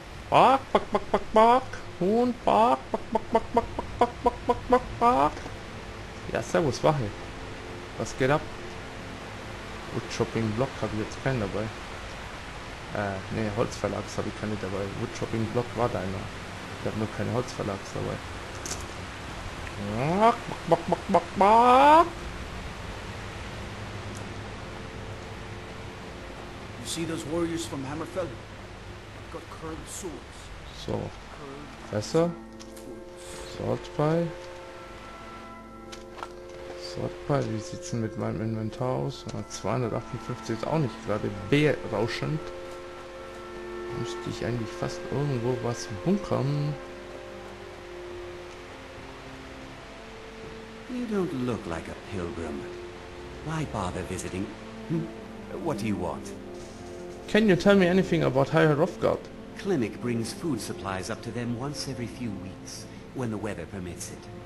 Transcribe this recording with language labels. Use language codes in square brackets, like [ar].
[de] Bark, bark, bark, bark, bark. Huhn, bark, bark, bark, bark, bark, bark, bark, bark, bark, bark, bark. Ja, servus, Wache. Was geht ab? Woodchopping Block habe ich jetzt keinen dabei. Nee, Holzverlags habe ich keine dabei. Woodchopping Block war deiner. Ich habe nur keine Holzverlags dabei. Bark, bark, bark, bark, bark, bark. [en] You see those warriors from Hammerfell? Got curved swords. [de] So. Fässer. Swordpie. Swordpie, wie sieht's denn mit meinem Inventar aus? 258 ist auch nicht gerade berauschend. Müsste ich eigentlich fast irgendwo was bunkern. [en] You don't look like a pilgrim. Why bother visiting? What do you want? Can you tell me anything about Higher Hrothgar? Clinic brings food supplies up to them once every few weeks, when the weather permits it.